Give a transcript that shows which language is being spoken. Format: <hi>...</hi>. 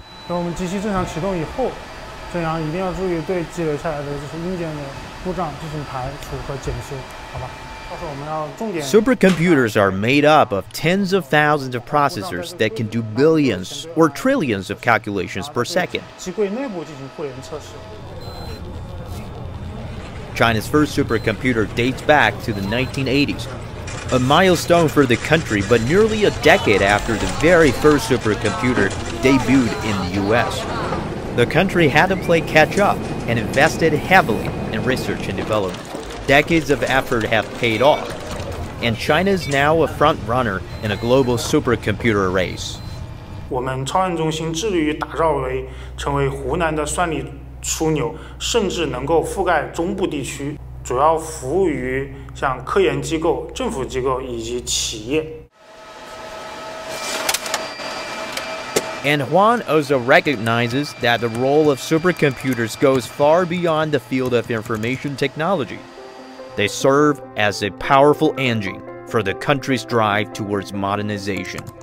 <zh>等我们机器正常启动以后，正阳一定要注意对积累下来的这些硬件的故障进行排除和检修，好吧？到时候我们要重点。</zh> <en>Supercomputers are made up of tens of thousands of processors that can do billions or trillions of calculations per second.</en> <zh>机柜内部进行互联测试。</zh> <en>China's first supercomputer dates back to the 1980s, a milestone for the country, but nearly a decade after the very first supercomputer debuted in the US. The country had to play catch up and invested heavily in research and development. Decades of effort have paid off, and China is now a front runner in a global supercomputer race.</en> <zh>我们超算中心致力于打造为成为湖南的算力枢纽，甚至能够覆盖中部地区，主要服务于像科研机构、政府机构以及企业。</zh> <en>And Juan also recognizes that the role of supercomputers goes far beyond the field of information technology. They serve as a powerful engine for the country's drive towards modernization.</en>